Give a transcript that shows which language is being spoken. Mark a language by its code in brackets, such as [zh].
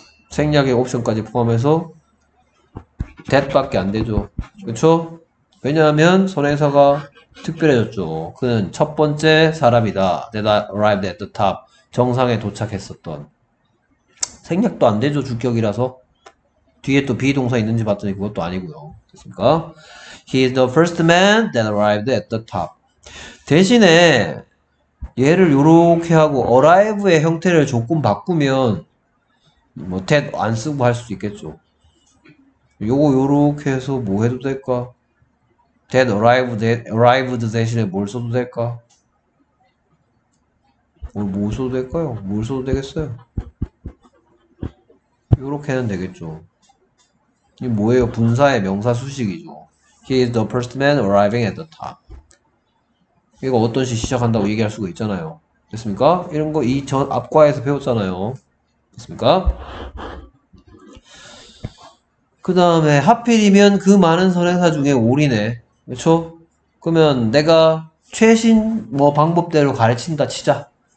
[ko] 생략의 옵션까지 포함해서 that밖에 안 되죠. 그렇죠? 왜냐하면 선행사가 특별해졌죠. 그는 첫 번째 사람이다. [en] That arrived at the top. [ko] 정상에 도착했었던. 생략도 안 되죠. 주격이라서. 뒤에 또 비동사 있는지 봤더니 그것도 아니고요. 됐습니까? [en] He is the first man that arrived at the top. [ko] 대신에 얘를 요렇게 하고 arrive의 형태를 조금 바꾸면 뭐, that 안 쓰고 할 수도 있겠죠. 요거, 요렇게 해서 뭐 해도 될까? that arrived 대신에 뭘 써도 될까? 뭘뭐 써도 될까요? 뭘 써도 되겠어요? 요렇게는 되겠죠. 이게 뭐예요? 분사의 명사 수식이죠. [en] He is the first man arriving at the top. [ko] 이거 어떤 시 시작한다고 얘기할 수가 있잖아요. 됐습니까? 이런 거이전 앞과에서 배웠잖아요. 됐습니까? 그 다음에 하필이면 그 많은 선행사 중에 올이네. 그렇죠? 그러면 내가 최신 뭐 방법대로 가르친다 치자.